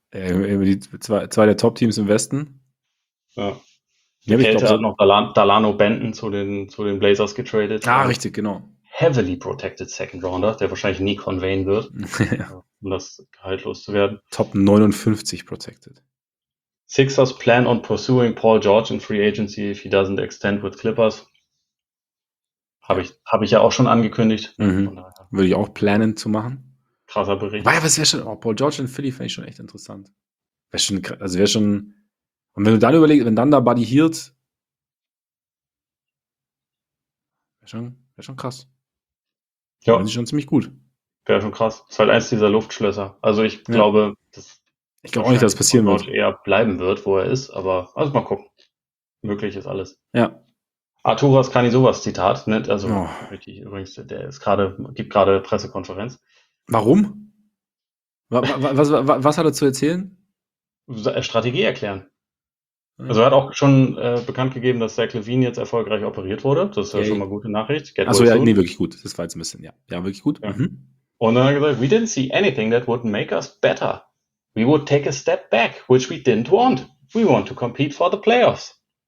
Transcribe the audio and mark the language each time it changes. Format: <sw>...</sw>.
<de>Aber die zwei der Top-Teams im Westen. Ja. Die Kälte hat noch Dalano Benton zu den Blazers getradet. Ah, richtig, genau. Heavily protected Second Rounder, der wahrscheinlich nie conveyen wird, um das Gehalt loszuwerden. Top 59 protected.</de> <en>Sixers plan on pursuing Paul George in free agency if he doesn't extend with Clippers.</en> <de>Habe ich ja auch schon angekündigt. Mhm. Würde ich auch planen zu machen. krasser Bericht. Aber was wäre schon, oh, Paul George in Philly fände ich schon echt interessant. Wäre schon, also wäre schon, und wenn du dann überlegst, wenn dann da Buddy Hield, wäre schon krass. Ja. Wäre schon ziemlich gut. Wäre schon krass. Ist halt eins dieser Luftschlösser. Also ich glaube, dass ich glaube auch nicht, dass es passieren wird. Eher bleiben wird, wo er ist, aber also mal gucken. Möglich ist alles. Ja. Arturas Kanisovas Zitat, ne? Also richtig, übrigens, der ist gerade, gibt gerade Pressekonferenz. Warum? Was hat er zu erzählen? Strategie erklären. Also er hat auch schon bekannt gegeben, dass Zach LaVine jetzt erfolgreich operiert wurde. Das ist ja schon mal gute Nachricht. Achso, ja, nee, wirklich gut. Das war jetzt ein bisschen, ja. Ja, wirklich gut. Ja. Mhm. Und dann hat er gesagt,</de> <en>we didn't see anything that would make us better. We would take a step back, which we didn't want. We want to compete for the playoffs.</en>